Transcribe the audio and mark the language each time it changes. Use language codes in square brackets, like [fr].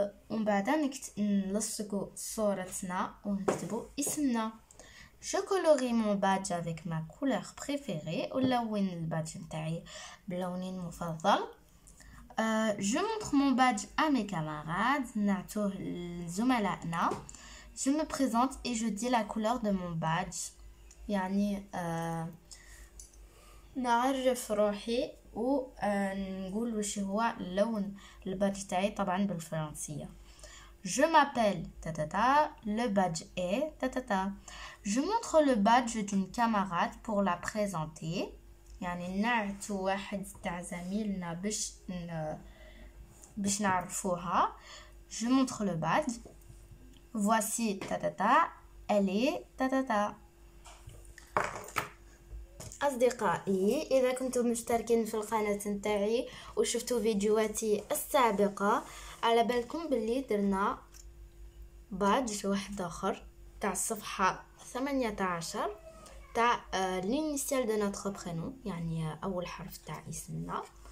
[ar] ومن بعد نلصقو صورتنا ونكتبو اسمنا. [fr] Je colorie mon badge avec ma couleur préférée، [ar] ونلون البادج نتاعي بلوني المفضل. [fr] Je montre mon badge à mes camarades، [ar] نعطوه لزملائنا. [fr] Je me présente et je dis la couleur de mon badge. [ar] يعني نعرف روحي و نقول واش هو لون البادج تاعي طبعا بالفرنسية. [fr] Je m'appelle tatata. Le badge est tatata. Je montre le badge d'une camarade pour la présenter. [ar] يعني نعطي واحد تاع زميلنا باش باش نعرفوها. [fr] Je montre le badge. Voici ta ta ta. Elle est ta ta ta. [ar] اصدقائي، اذا كنتم مشتركين في القناة نتاعي وشفتوا فيديوهاتي السابقة، على بالكم باللي درنا بادج واحد اخر تاع الصفحة 18 تاع [fr] لينيسيال دو نوتغ برينو، [ar] يعني اول حرف تاع اسمنا.